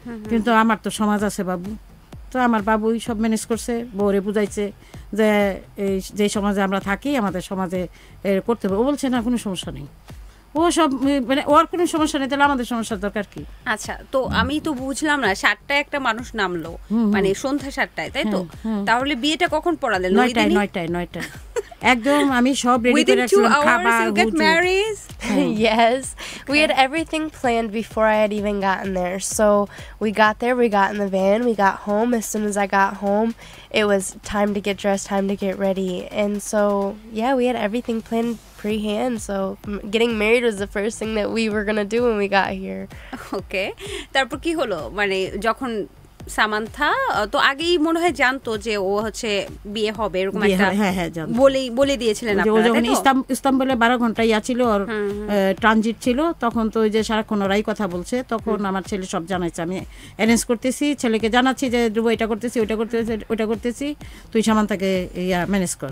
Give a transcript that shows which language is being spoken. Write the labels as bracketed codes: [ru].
[bn] কিন্তু আমার তো সমাজ আছে বাবু, তো আমার বাবুই সব ম্যানেজ করছে, বউরে বুঝাইছে যে এই যে সমাজে আমরা থাকি আমাদের সমাজে করতে হবে। ও বলছে না কোনো সমস্যা নেই, ও সব মানে ওর কোনো সমস্যা নেই, তাহলে আমাদের সমস্যার দরকার কি? আচ্ছা, তো আমি তো বুঝলাম না, 7টায় একটা মানুষ নামলো মানে সন্ধ্যা 7টায়, তাই তো? তাহলে বিয়েটা কখন পড়ালে? 9টায় একদম আমি সব রেডি করে রাখছিলাম খাবার। [en] You get married? Yes. We had everything planned before I had even gotten there. So we got there, we got in the van, we got home. As soon as I got home, it was time to get dressed, time to get ready. And so, yeah, we had everything planned prehand. So getting married was the first thing that we were going to do when we got here. [bn] Okay. তারপর কি হলো? মানে যখন Samantha তো আগেই মনে হয় জানতো যে ও হচ্ছে বিয়ে হবে এরকম একটা বলে দিয়েছিলেন আপনারা, তাই তো? যখন ইস্তাম্বুলে 12 ঘন্টা ইয়া ছিল আর ট্রানজিট ছিল, তখন তো ওই যে সারাক্ষণ ওরাই কথা বলছে, তখন আমার ছেলে সব জানাইছে, আমি অ্যারেঞ্জ করতেছি, ছেলেকে জানাচ্ছি যে ধ্রুব এটা করতেছি, ওইটা করতেছি, ওইটা করতেছি, তুই সামান্থাকে ইয়া ম্যানেজ কর।